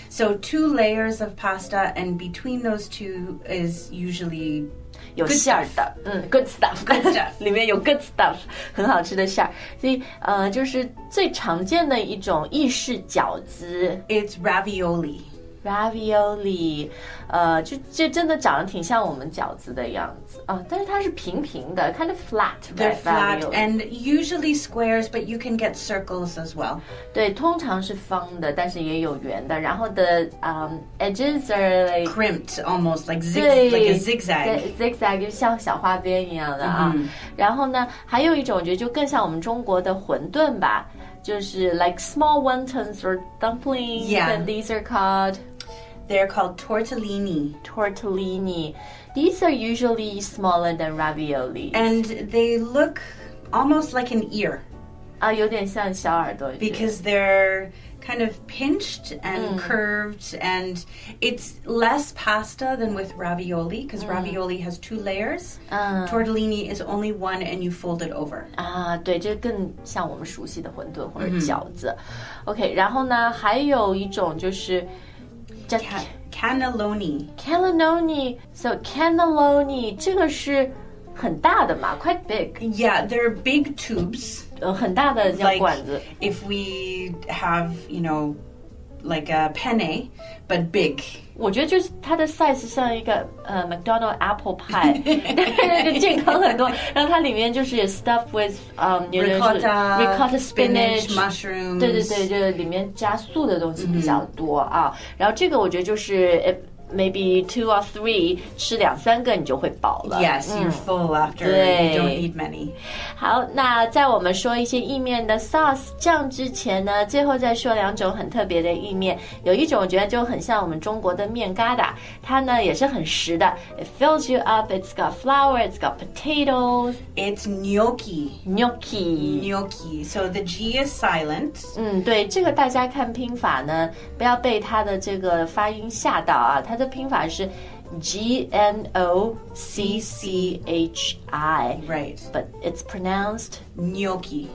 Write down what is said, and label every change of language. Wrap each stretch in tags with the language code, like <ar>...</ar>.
<en>So, two layers of pasta and between those two is usually...</en> <zh>有馅儿的、</zh> <en>good stuff. Good stuff.</en> <zh>里面有</zh> <en>good stuff,</en> <zh>很好吃的馅儿。所以、就是最常见的一种意式饺子。</zh> <en>It's ravioli.</en> <zh>Ravioli, 就真的长得挺像我们饺子的样子啊、但是它是平平的 ，</zh> <en>kind of flat. They're right, flat、 ravioli. And usually squares, but you can get circles as well.</en> <zh>对，通常是方的，但是也有圆的。然后的</zh> <en>edges are like crimped, almost like zigzag,</en> <zh>就像小花边一样的啊。Mm-hmm. 然后呢，还有一种我觉得就更像我们中国的馄饨吧。就是</zh> <en>like small wontons or dumplings, yeah. And these are called? They're called tortellini. Tortellini. These are usually smaller than ravioli. And they look almost like an ear. 啊，有点像小耳朵。 Because they're kind of pinched and curved, and it's less pasta than with ravioli, because ravioli has two layers. Tortellini is only one, and you fold it over.</en> <zh>啊，对，这更像我们熟悉的馄饨或者饺子。 OK, 然后呢，还有一种就是</zh> <en>cannelloni.</en> <zh>Cannelloni.</zh> <en>So cannelloni,</en> <zh>这个是很大的嘛</zh> <en>quite big. Yeah, they're big tubes.</en> <zh>很大的像管子</zh> <en>like, if we have, you know, like a penne, but big.</en> <zh>我觉得就是它的 size 像一个、McDonald's apple pie, 但是健康很多。然后它里面就是</zh> <en>stuffed with、 ricotta spinach, mushrooms.</en> <zh>对对对，就里面加素的东西比较多啊。然后这个我觉得就是</zh> <en>maybe two or three,</en> <zh>吃两三个你就会饱了。</zh> <en>Yes, you're full after you don't need many.</en> <zh>好，那在我们说一些意面的 sauce 酱之前呢，最后再说两种很特别的意面。有一种我觉得就很像我们中国的面疙瘩，它呢也是很实的。</zh> <en>It fills you up, it's got flour, it's got potatoes. It's gnocchi. Gnocchi. Gnocchi. So the G is silent.</en> <zh>对，这个大家看拼法呢，不要被它的这个发音吓到啊。它的拼法是 G-N-O-C-C-H-I.</zh> <en>Right. But it's pronounced Gnocchi.</en>